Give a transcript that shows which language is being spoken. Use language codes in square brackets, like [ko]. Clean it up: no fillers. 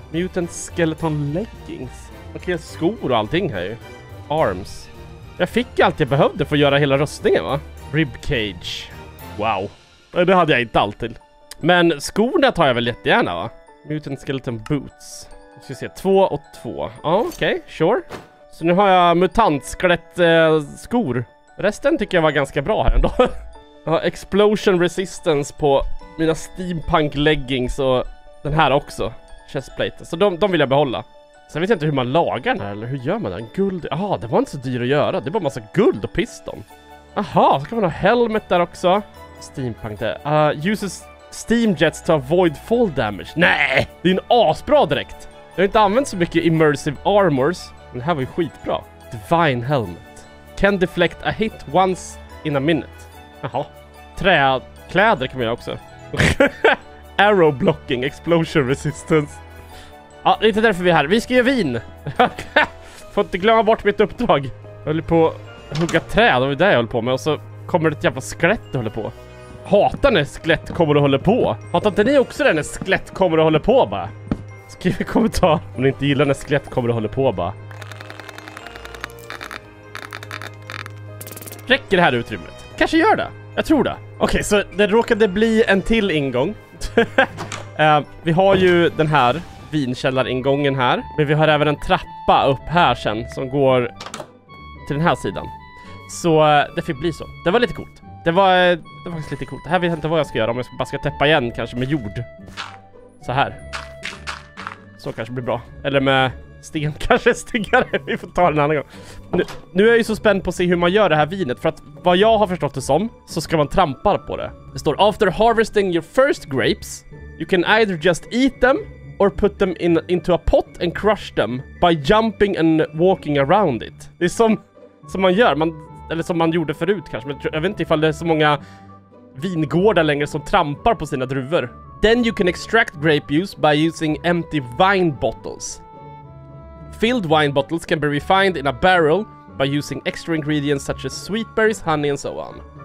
[en] Mutant skeleton leggings. [sv] Okej, skor och allting här ju. Arms. Jag fick allt jag behövde för att göra hela rustningen va? Ribcage. Wow. Det hade jag inte alltid. Men skorna tar jag väl jättegärna va? [en] Mutant skeleton boots. [sv] Nu ska vi se. 2 och 2. Ja, okej. [en] Okay. Sure. [sv] Så nu har jag mutantsklett skor. Resten tycker jag var ganska bra här ändå. Jag har explosion resistance på mina steampunk leggings och den här också. Chestplate. Så de vill jag behålla. Sen vet jag inte hur man lagar den här eller hur gör man den? Guld. Jaha, det var inte så dyrt att göra. Det är bara massa guld och piston. Aha, så kan man ha helmet där också. [en] Steampunk där. Uses steam jets to avoid fall damage. [sv] Nej, det är en asbra direkt. Jag har inte använt så mycket immersive armors. Den här var ju skitbra. Divine helmet. [en] Can deflect a hit once in a minute. [sv] Jaha. Träkläder kan man göra också. [en] Arrow blocking, explosion resistance. [sv] Ja, det är inte därför vi är här. Vi ska göra vin. Får inte glömma bort mitt uppdrag. Jag håller på att hugga träd. Det var det jag håller på med. Och så kommer det ett jävla skelett att hålla på. Hatar när skelett kommer att hålla på. Hatar inte ni också det när skelett kommer att hålla på bara? Skriv i kommentar om ni inte gillar när skelett kommer att hålla på bara. Räcker det här utrymmet? Kanske gör det. Jag tror det. Okej, okay, så det råkade bli en till ingång. vi har ju den här vinkällaringången här. Men vi har även en trappa upp här sen som går till den här sidan. Så det fick bli så. Det var lite coolt. Det var faktiskt lite coolt. Det här vet jag inte vad jag ska göra. Om jag bara ska täppa igen kanske med jord. Så här. Så kanske blir bra. Eller med sten kanske stigare. Vi får ta den en annan gång. Nu är jag ju så spänd på att se hur man gör det här vinet. För att vad jag har förstått det som, så ska man trampa på det. Det står: [en] after harvesting your first grapes, you can either just eat them or put them into a pot and crush them by jumping and walking around it. [sv] Det är som man gör. Eller som man gjorde förut kanske. Men jag vet inte ifall det är så många vingårdar längre som trampar på sina druvor. [en] Then you can extract grape juice by using empty wine bottles. Filled wine bottles can be refined in a barrel by using extra ingredients such as sweetberries, honey and so on.